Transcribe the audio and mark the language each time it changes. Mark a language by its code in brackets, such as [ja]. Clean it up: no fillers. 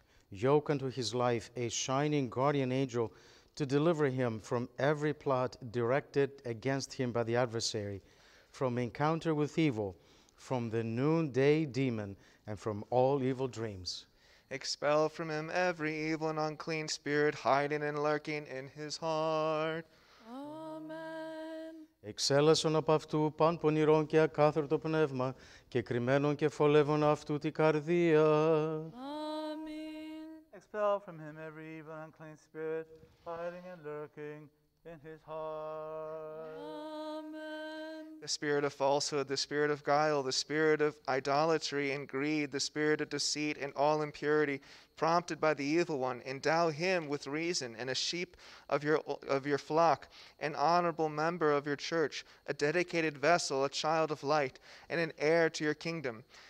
[en] Yoke unto his life a shining guardian angel to deliver him from every plot directed against him by the adversary, from encounter with evil, from the noonday demon, and from all evil dreams. Expel from him every evil and unclean spirit hiding and lurking in his heart. Amen. [el] Εξέλασον απ' αυτού παν πονηρών και ακάθαρτο πνεύμα και κρυμμένων και φωλεύων αυτού τη καρδία. [en] Amen. Expel from him every evil and unclean spirit hiding and lurking in his heart. Amen. The spirit of falsehood, the spirit of guile, the spirit of idolatry and greed, the spirit of deceit and all impurity, prompted by the evil one, endow him with reason and a sheep of your flock, an honorable member of your church, a dedicated vessel, a child of light, and an heir to your kingdom.